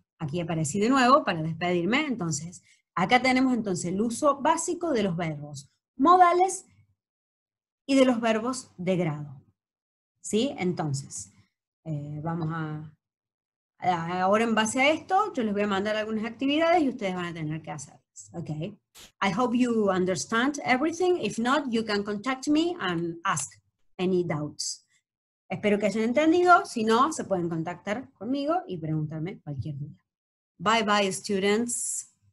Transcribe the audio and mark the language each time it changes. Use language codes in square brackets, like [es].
[es] Aquí aparecí de nuevo para despedirme. Entonces, acá tenemos entonces el uso básico de los verbos modales y de los verbos de grado. ¿Sí? Entonces, vamos a... Ahora en base a esto, yo les voy a mandar algunas actividades y ustedes van a tener que hacer. [en] Okay. I hope you understand everything. If not, you can contact me and ask any doubts. [es] Espero que hayan entendido. Si no, se pueden contactar conmigo y preguntarme cualquier duda. [en] Bye bye, students.